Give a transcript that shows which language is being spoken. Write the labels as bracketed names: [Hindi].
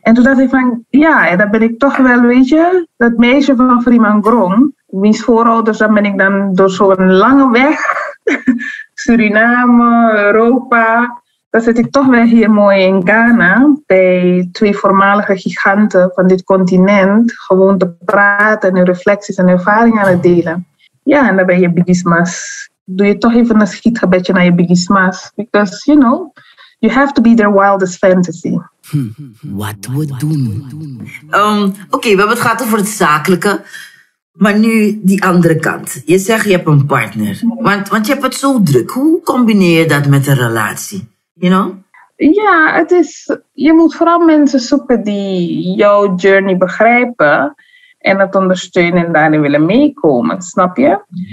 [Dutch] En toen dacht ik van, ja, dat ben ik toch wel, weet je, dat meisje van Frimangrong, wiens voorouders, dan ben ik dan door zo'n lange weg, Suriname, Europa, dan zit ik toch wel hier mooi in Ghana, bij twee voormalige giganten van dit continent, gewoon te praten en hun reflecties en ervaringen aan het delen. Ja, en dan ben je bigismas. Doe je toch even een schietgebedje naar je bigismas. [English] Because, you know, you have to be their wildest fantasy. [Dutch] Wat we doen. Oké, we hebben het gehad over het zakelijke. Maar nu die andere kant. Je zegt je hebt een partner. Want je hebt het zo druk. Hoe combineer je dat met een relatie? [English] You know? [Dutch] Ja, het is, je moet vooral mensen zoeken die jouw journey begrijpen en dat ondersteunen en daarin willen meekomen, snap je?